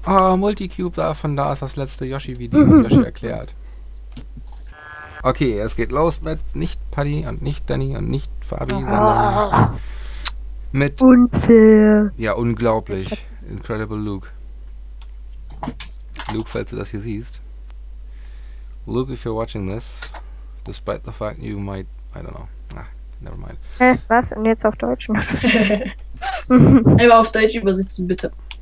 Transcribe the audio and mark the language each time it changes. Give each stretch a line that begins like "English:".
German: Oh, Multicube, von da ist das letzte Yoshi-Video, Yoshi erklärt. Okay, es geht los mit nicht Paddy und nicht Dani und nicht Fabi, sondern mit... Unfair. Ja, unglaublich. Incredible Luke. Luke, falls du das hier siehst.
English: Luke, if you're watching this, despite the fact you might, I don't know. Ah, never mind.
German: Was? Und jetzt auf Deutsch? Einmal auf Deutsch übersetzen, bitte.